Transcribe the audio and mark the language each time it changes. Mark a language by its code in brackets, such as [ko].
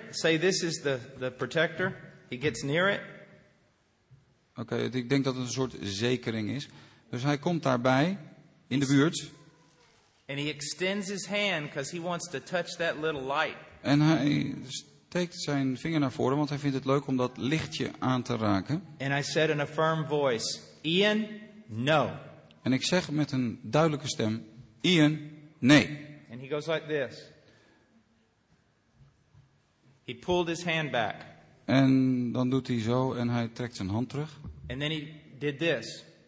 [en] Say this is the protector. He gets near it. [nl] Okay, ik denk dat het een soort zekering is. Dus hij komt daarbij in de buurt. [en] And he extends his hand because he wants to touch that little light. [nl] En hij steekt zijn vinger naar voren, want hij vindt het leuk om dat lichtje aan te raken. [en] And I said in a firm voice, Ian, no. [nl] En ik zeg met een duidelijke stem, Ian, nee. [en] And he goes like this. He pulled his hand back. [nl] En dan doet hij zo en hij trekt zijn hand terug. [en] And then he did this.